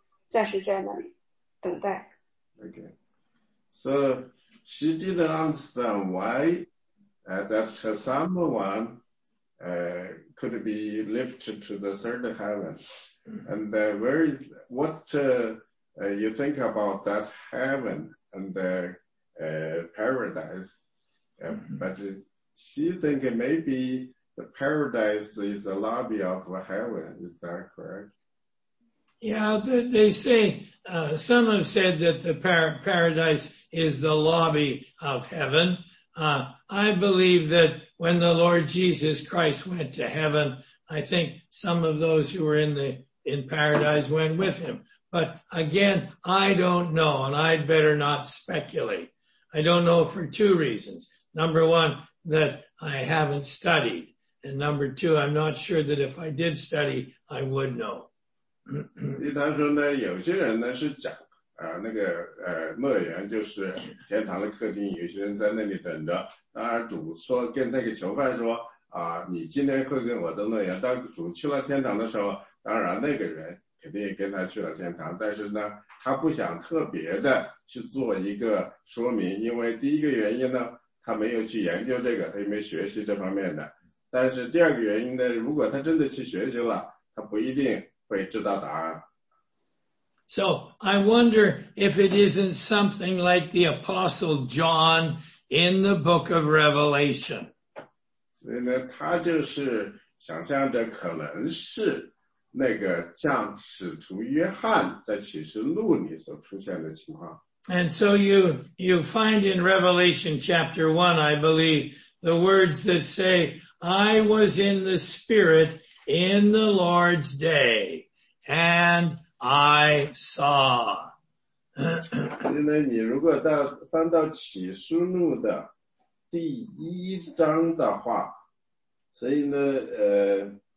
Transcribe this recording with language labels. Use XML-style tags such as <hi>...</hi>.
<zh>Sunny。哦哦，我不明白为什么有些人就被提到三重天去了。这三重天是哪里？他说的这个乐园，乐园是不是像是我们进天堂之前的一个客厅，暂时在那里等待？</zh> <en>Okay, so she didn't understand why. That someone could be lifted to the third heaven. And you think about that heaven and the paradise. But she think maybe the paradise is the lobby of heaven. Is that correct? Yeah, they say, some have said that the paradise is the lobby of heaven. I believe that when the Lord Jesus Christ went to heaven, I think some of those who were in paradise went with him. But again, I don't know, and I'd better not speculate. I don't know for two reasons. Number one, that I haven't studied. And number two, I'm not sure that if I did study, I would know.</en> <zh>他说呢，有些人呢是讲啊，那个乐园就是天堂的客厅，有些人在那里等着。当然，主说跟那个囚犯说啊，你今天会跟我在乐园。当主去了天堂的时候，当然那个人肯定也跟他去了天堂。但是呢，他不想特别的去做一个说明，因为第一个原因呢，他没有去研究这个，他也没学习这方面的。但是第二个原因呢，如果他真的去学习了，他不一定。</zh> <en>So I wonder if it isn't something like the Apostle John in the book of Revelation.</en> <zh>所以呢，他就是想象着可能是那个像使徒约翰在启示录里所出现的情况。</zh> <en>And so you find in Revelation chapter 1, I believe, the words that say, I was in the Spirit in the Lord's day. And I saw.</en> <zh>现在你如果到翻到启示录的第一章的话，所以呢，</zh>